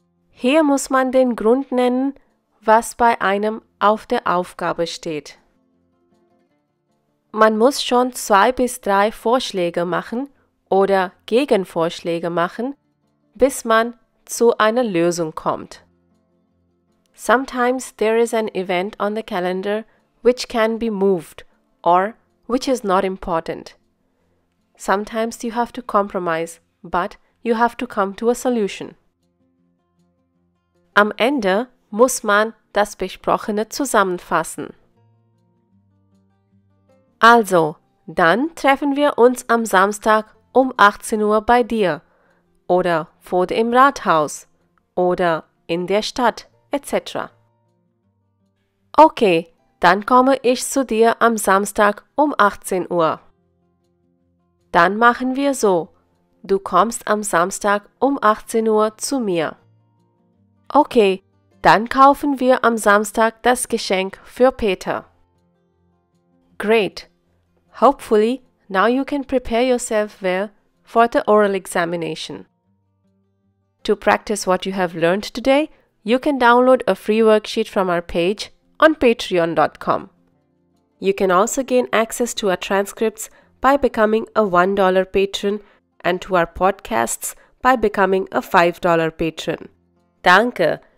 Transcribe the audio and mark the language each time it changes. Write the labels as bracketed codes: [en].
[de] Hier muss man den Grund nennen, was bei einem auf der Aufgabe steht. Man muss schon 2 bis 3 Vorschläge machen oder Gegenvorschläge machen, bis man zu einer Lösung kommt. [en] Sometimes there is an event on the calendar which can be moved or which is not important. Sometimes you have to compromise, but you have to come to a solution. [de] Am Ende muss man das Besprochene zusammenfassen. Also, dann treffen wir uns am Samstag um 18 Uhr bei dir oder vor dem Rathaus oder in der Stadt etc. Okay, dann komme ich zu dir am Samstag um 18 Uhr. Dann machen wir so: Du kommst am Samstag um 18 Uhr zu mir. Okay, dann kaufen wir am Samstag das Geschenk für Peter. [en] Great! Hopefully, now you can prepare yourself well for the oral examination. To practice what you have learned today, you can download a free worksheet from our page on patreon.com. You can also gain access to our transcripts by becoming a $1 patron and to our podcasts by becoming a $5 patron. [de] Danke!